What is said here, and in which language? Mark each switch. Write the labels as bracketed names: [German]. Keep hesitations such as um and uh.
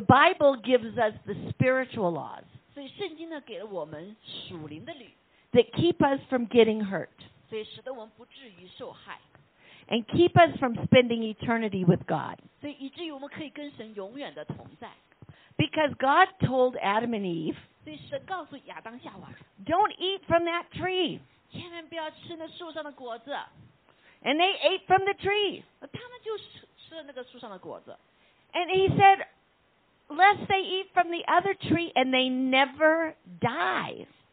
[English] Bible gives us the spiritual laws. [Chinese] 所以圣经呢给了我们属灵的律 [English] ，that keep us from getting hurt， [Chinese] 所以使得我们不至于受害 [English] ，and keep us from spending eternity with God， [Chinese] 所以以至于我们可以跟神永远的同在。 [English] Because God told Adam and Eve， [Chinese] 所以神告诉亚当夏娃， [English] Don't eat from that tree， [Chinese] 千万不要吃那树上的果子。 [English] And they ate from the tree， [Chinese] 他们就吃吃了那个树上的果子。 [English] And he said。 lest they eat from the other tree and they never die.